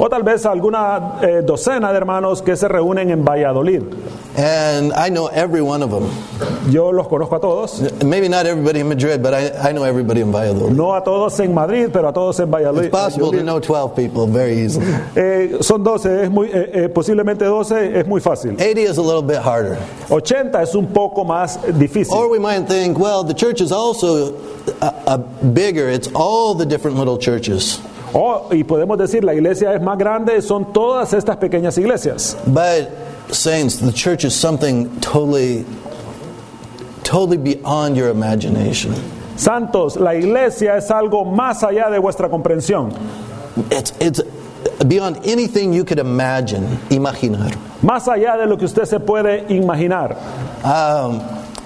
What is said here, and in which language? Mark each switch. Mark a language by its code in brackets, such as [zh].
[es] O tal vez alguna docena de hermanos que se reúnen en Valladolid. [en] And I know every one of them. [es] Yo los conozco a todos. [en] Maybe not everybody in Madrid, but I know everybody in Valladolid. [es] No a todos en Madrid, pero a todos en Valladolid. [en] It's possible to know 12 people very easily. [es] Son 12, es muy posiblemente 12, es muy fácil. [en] 80 is a little bit harder. [es] 80 es un poco más difícil. [en] Or we might think, well, the church is also a bigger. It's all the different little churches. [es] Oh, y podemos decir la iglesia es más grande, son todas estas pequeñas iglesias. [en] But saints, the church is something totally, totally beyond your imagination. [es] Santos, la iglesia es algo más allá de vuestra comprensión. [en] It's beyond anything you could imagine, [es] imaginar. Más allá de lo que usted se puede imaginar.